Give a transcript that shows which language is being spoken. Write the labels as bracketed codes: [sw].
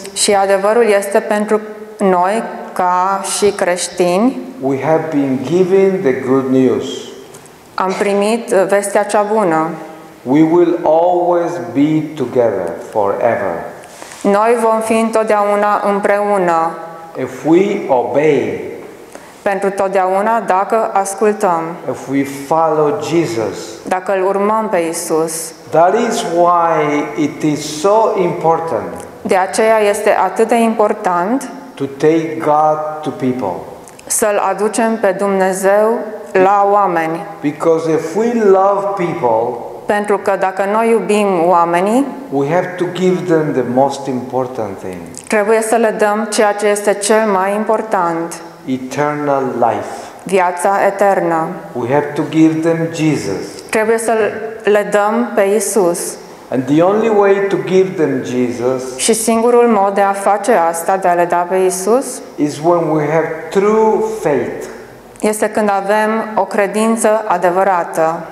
[ro] și adevărul este pentru noi ca și creștini, [en] we have been given the good news. [ro] Am primit vestea cea bună. [en] We will always be together forever. [ro] Noi vom fi întotdeauna împreună. [en] If we obey, [ro] pentru totdeauna dacă ascultăm. [en] If we follow Jesus, [ro] dacă îl urmăm pe Iisus. [en] That is why it is so important. [ro] De aceea este atât de important. [en] To take God to people. [ro] Să-l aducem pe Dumnezeu la oameni. [en] Because if we love people, [ro] pentru că dacă noi iubim oamenii, [en] we have to give them the most important thing. [ro] Trebuie să le dăm ceea ce este cel mai important. [en] Eternal life. [ro] Viața eternă. [en] We have to give them Jesus. [ro] Trebuie să le dăm pe Iisus. [en] And the only way to give them Jesus. [ro] Și singurul mod de a face asta, de a le da pe Isus, [en] is when we have true faith. [ro] Este când avem o credință adevărată.